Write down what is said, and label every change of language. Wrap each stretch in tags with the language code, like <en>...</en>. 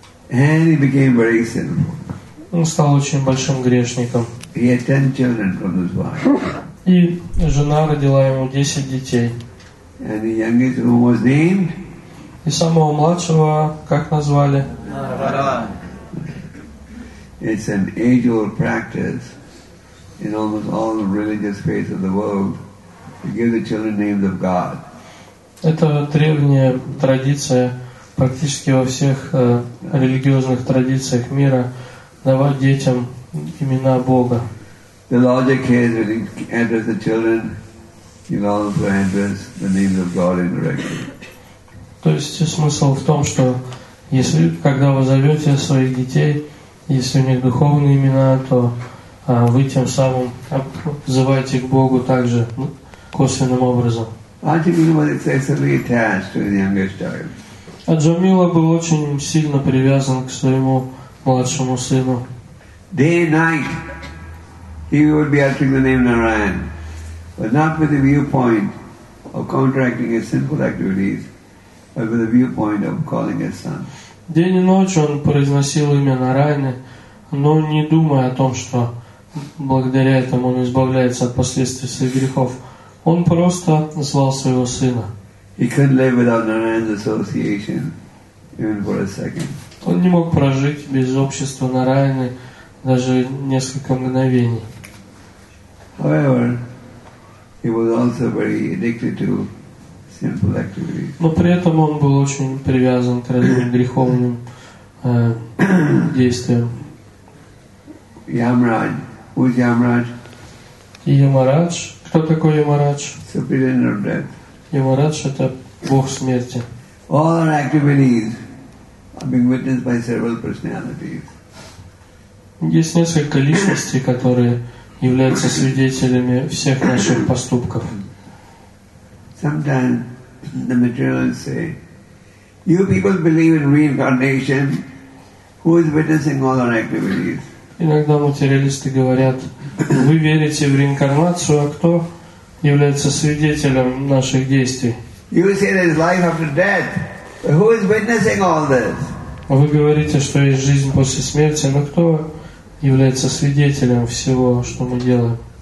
<en>And he became very sinful.</en> <ru>Он стал очень большим грешником.</ru> <en>He had 10 children from his wife.</en> <ru>И жена родила ему 10 детей.</ru> <en>And the youngest one was named?</en> <ru>И самого младшего как назвали?</ru> <en>It's an age-old practice in almost all the religious faiths of the world to give the children names of God.</en> <ru>Это древняя традиция. Практически во всех религиозных традициях мира давать детям имена Бога.</ru> <en>The larger cares that enter the children, it also enters the name of God indirectly.</en> <ru>То есть смысл в том, что если когда вы зовете своих детей, если у них духовные имена, то вы тем самым взываете к Богу также косвенным образом.</ru> <en>Аджамила was excessively attached to the youngest child.</en> <ru>Аджамила был очень сильно привязан к своему младшему сыну.</ru> <en>Day and night, he would be uttering the name Narayan, but not with the viewpoint of contracting his sinful activities, but with the viewpoint of calling his son.</en> <ru>День и ночь он произносил имя Нарайны, но не думая о том, что благодаря этому он избавляется от последствий своих грехов. Он просто звал своего сына.</ru> <en>He couldn't live without Narayan's association, even for a second.</en> <ru>Он не мог прожить без общества Нарайны даже несколько мгновений.</ru> <en>However, he was also very addicted to sinful activities.</en> <ru>Но при этом он был очень привязан к разным греховным действиям.</ru> <en>Yamraj. Who is Yamraj?</en> <ru>Yamaraj. Кто такой Yamaraj?</ru> <en>Superior of death.</en> <ru>Yamaraj – это бог смерти.</ru> <en>All our activities are being witnessed by several personalities.</en> <ru>Есть несколько личностей, которые являются свидетелями всех наших поступков.</ru> <en>Sometimes the materialists say, "You people believe in reincarnation. Who is witnessing all our activities?"</en> <ru>Иногда материалисты говорят: "Вы верите в реинкарнацию, а кто является свидетелем наших действий?"</ru> <en>You say there is life after death. Who is witnessing all this?</en> <ru>Вы говорите, что есть жизнь после смерти, но кто является свидетелем всего, что мы делаем?</ru>